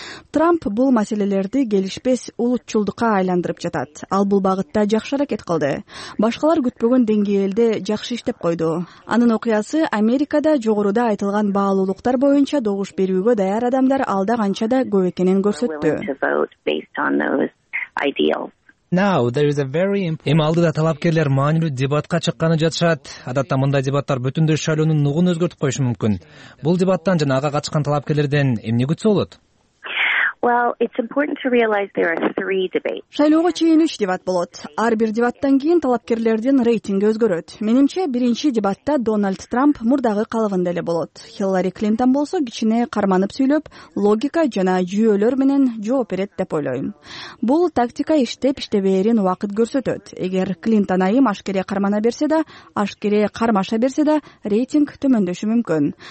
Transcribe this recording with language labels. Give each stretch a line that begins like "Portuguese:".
Kyrgyz: Трамп бул маселелерди келишпес улутчулдукка айландырып жатат. Ал бул багытта жакшы аракет кылды. Башкалар күтпөгөн деңгээлде жакшы иштеп койду. Анын окуясы Америкада жогоруда айтылган баалуулуктар боюнча добуш берүүгө даяр адамдар алда канча да көп экенин көрсөттү.
English: Now there is a very important.
Kyrgyz: Эми алдыда талапкерлер маанилүү дебатка чыкканы жатышат. Адатта мындай дебаттар бүтүндөй шайлоонун нугун өзгөртүп коюшу мүмкүн. Бул дебаттан жана ага катышкан талапкерлерден эмне күтсө болот?
English: Well, it's important to realize there are three debates.
Kyrgyz: Шайлоого чейин 3 дебат болот. Ар бир дебаттан кийин талапкерлердин рейтинги өзгөрөт. Менимче, биринчи дебатта Дональд Трамп мурдагы калыбында эле болот. Хиллари Клинтон болсо кичине карманып сүйлөп, логика жана жүйөлөр менен жооп берет деп ойлойм. Бул тактика иштеп-иштебээрин убакыт көрсөтөт. Эгер Клинтон айым ашкере кармана берсе да, ашкере кармаша берсе да, рейтинг төмөндөшү мүмкүн.